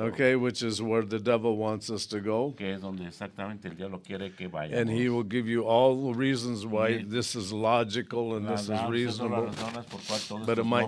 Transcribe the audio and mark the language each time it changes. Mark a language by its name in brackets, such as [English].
[English] okay, which is where the devil wants us to go. [Spanish] Que es donde exactamente el diablo quiere que vayamos. [English] And he will give you all the reasons why this is logical and this is reasonable, but it might